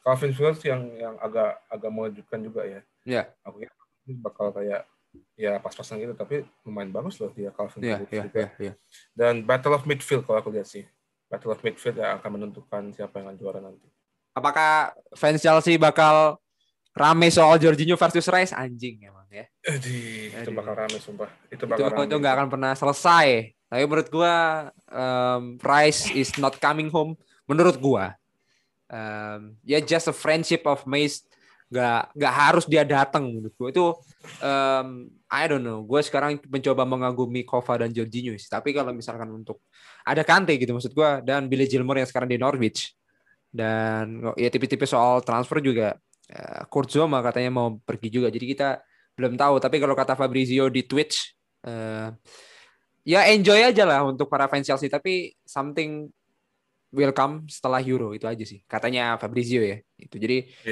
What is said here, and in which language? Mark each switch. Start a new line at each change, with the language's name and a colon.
Indonesian: Calvin Phillips yang agak mengejutkan juga ya. Aku ya bakal kayak ya pas-pasan gitu, tapi lumayan bagus loh dia Calvin Phillips. Dan battle of midfield, kalau aku lihat sih battle of midfield yang akan menentukan siapa yang akan juara nanti. Apakah fans Chelsea bakal rame soal Jorginho versus Rice? Anjing emang ya. Itu bakal rame sumpah. Itu nggak akan pernah selesai. Tapi menurut gue,
English: Rice is not coming home.
Indonesian: Menurut gue,
English: just a friendship of Mace.
Indonesian: Gak harus dia datang. Menurut gue itu,
English: I don't know.
Indonesian: Gue sekarang mencoba mengagumi Kovar dan Jorginho. Tapi kalau misalkan untuk ada Kante gitu, maksud gue, dan Billy Gilmore yang sekarang di Norwich, dan ya tipis-tipis soal transfer juga, Kurt Zouma katanya mau pergi juga. Jadi kita belum tahu. Tapi kalau kata Fabrizio di Twitch, ya enjoy aja lah untuk para fans Chelsea, tapi
English: something will come
Indonesian: setelah Euro, itu aja sih katanya Fabrizio ya. Itu jadi